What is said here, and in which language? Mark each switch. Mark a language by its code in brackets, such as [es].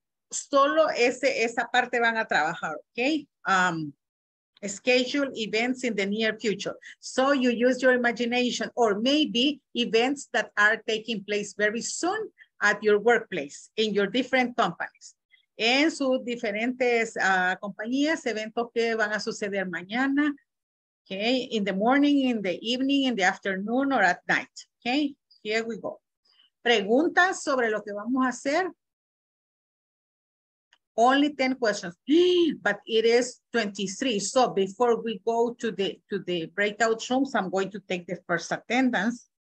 [es] Solo esa parte van a trabajar, okay? [en] Schedule events in the near future. So you use your imagination or maybe events that are taking place very soon at your workplace, in your different companies. [es] En sus diferentes compañías, eventos que van a suceder mañana, [en] Okay, in the morning, in the evening, in the afternoon, or at night. Okay, here we go. [es] Preguntas sobre lo que vamos a hacer. [en] Only 10 questions, but it is 23. So before we go to the breakout rooms, I'm going to take the first attendance.